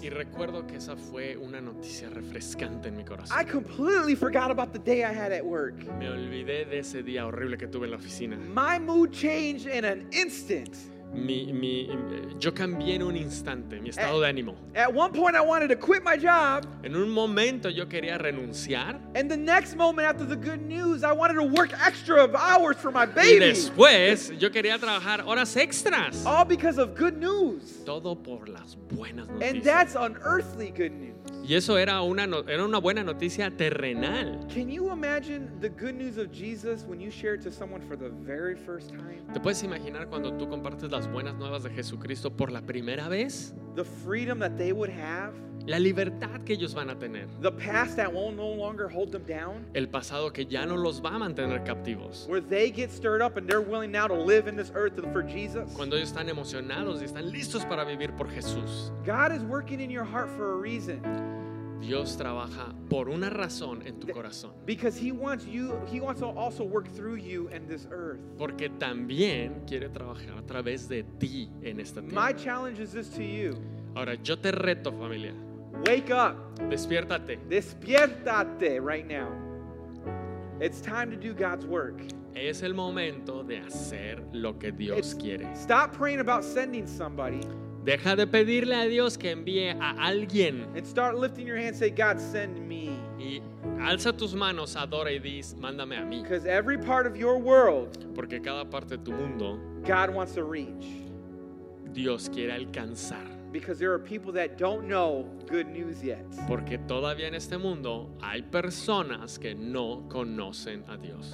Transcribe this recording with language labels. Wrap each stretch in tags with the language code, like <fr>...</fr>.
<es>Y recuerdo que esa fue una noticia refrescante en mi corazón.</es> <en>I completely forgot about the day I had at work.</en> <es>Me olvidé de ese día horrible que tuve en la oficina.</es> <en>My mood changed in an instant.</en> <es>Yo cambié en un instante mi estado de ánimo.</es> <en>At one point I wanted to quit my job.</en> <es>En un momento yo quería renunciar.</es> <en>And the next moment after the good news I wanted to work extra hours for my baby.</en> <es>Y después yo quería trabajar horas extras.</es> <en>All because of good news.</en> <es>Todo por las buenas noticias.</es> <en>And that's unearthly good news.</en> <es>Y eso era una buena noticia terrenal.</es> <en>Can you imagine the good news of Jesus when you share it to someone for the very first time?</en> <es>¿Te puedes imaginar cuando tú compartes las buenas nuevas de Jesucristo por la primera vez?</es> <en>The freedom that they would have.</en> <es>La libertad que ellos van a tener.</es> <en>The past that won't no longer hold them down.</en> <es>El pasado que ya no los va a mantener captivos.</es> <en>Where they get stirred up and they're willing now to live in this earth for Jesus.</en> <es>Cuando ellos están emocionados y están listos para vivir por Jesús.</es> <en>God is working in your heart for a reason.</en> <es>Dios trabaja por una razón en tu corazón.</es> <en>Because he wants to also work through you and this earth.</en> <es>Porque también quiere trabajar a través de ti en esta tierra.</es> <en>My challenge is this to you.</en> <es>Ahora yo te reto, familia.</es> <en>Wake up.</en> <es>Despiértate. Despiértate</es> <en>right now. It's time to do God's work.</en> <es>Es el momento de hacer lo que Dios quiere.</es> <en>Stop praying about sending somebody.</en> <es>Deja de pedirle a Dios que envíe a alguien.</es> <en>And start lifting your hand and say, God, send me.</en> <es>Y alza tus manos, adora y di, mándame a mí.</es> <en>Because every part of your world,</en> <es>porque cada parte de tu mundo,</es> <en>God wants to reach.</en> <es>Dios quiere alcanzar.</es> <en>Because there are people that don't know good news yet.</en> <es>Porque todavía en este mundo hay personas que no conocen a Dios.</es>